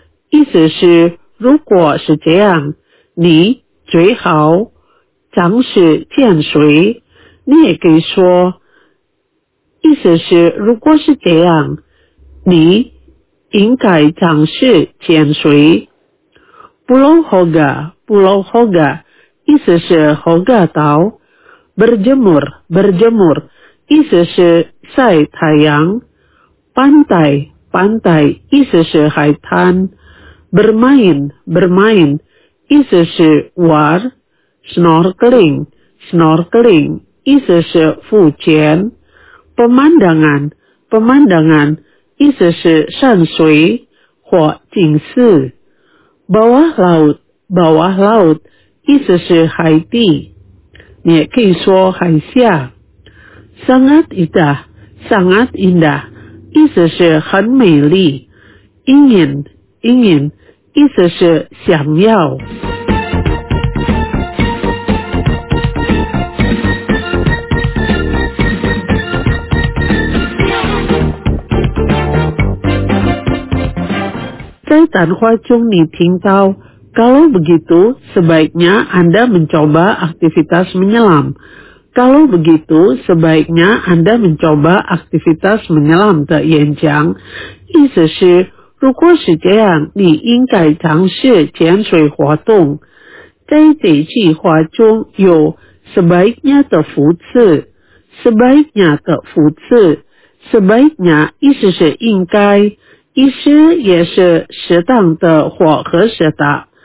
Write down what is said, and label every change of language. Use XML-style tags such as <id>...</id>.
<zh>意思是如果是这样，你最好尝试潜水。你也可以说，意思是如果是这样，你应该尝试潜水。 Pulau Hoga, Pulau Hoga, 意思是 Hoga 岛。 Berjemur, berjemur. 意思是晒太阳。 Pantai, pantai 意思是海滩。 Bermain, bermain 意思是玩。 Snorkeling, snorkeling 意思是浮潜。 Pemandangan, pemandangan 意思是山水或景色。 Bawah laut, bawah laut 意思是海底。你也可以说海下。 Sangat indah, sangat indah, 意思是很美丽。 Ingin, ingin, 意思是想要。在谈话中你听到</zh> <id>Kalau begitu, sebaiknya Anda mencoba aktivitas menyelam。 Kalau begitu, sebaiknya Anda mencoba aktivitas menyelam</id> <zh>的演讲，意思是，如果是这样，你应该尝试潜水活动。在这句话中有 sebaiknya ke Fuzi, sebaiknya ke Fuzi, sebaiknya 意思是应该，意思也是适当的或合适的。</zh>